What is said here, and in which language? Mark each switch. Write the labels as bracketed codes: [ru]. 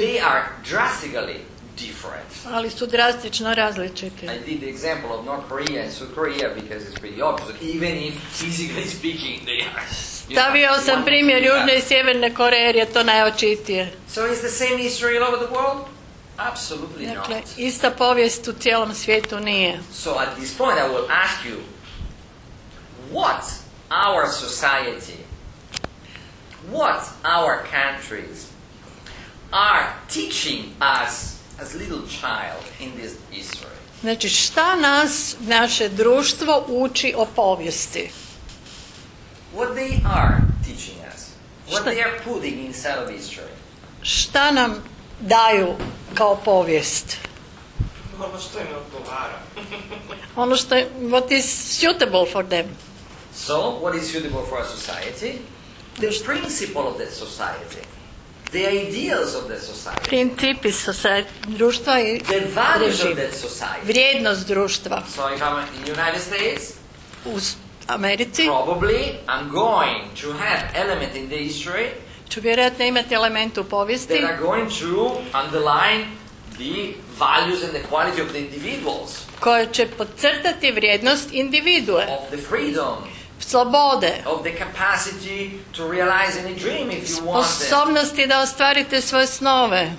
[en] They are drastically different. [hr] Ali su drastično različiti. [en] I did the example of North Korea and South Korea because it's pretty obvious. Even if physically speaking they are. [hr] Stavio sam primjer Južne i Sjeverne Koreje, je to najočitije. [en] So is the same history all over the world? Absolutely not. [hr] Dakle, ista povijest u cijelom svijetu nije. [en] So at this point I will ask you, what our society, what our countries are teaching us as little child in this history. [hr] Znači, šta nas, naše društvo uči o povijesti? [en] What they are teaching us. What they are putting inside of history. [hr] Šta nam daju kao povijest? Ono što im odgovara. Ono što, [en] what is suitable for them. So, what is suitable for a society? The principle of the society. The ideals of the society. [hr] Principi društva i [en] the values of that society. [hr] Vrijednost društva. [en] So, if I'm in the United States, [hr] u Americi, [en] probably I'm going to have element in the history [hr] ću vjerojatno imati element u povijesti [en] that are going to underline the values and the quality of the individuals. [hr] Koje će podcrtati vrijednost individue. [en] Of the freedom. [hr] Slobode. [en] Of the capacity to realize any dream if you want. [hr] Sposobnosti da ostvarite svoje snove.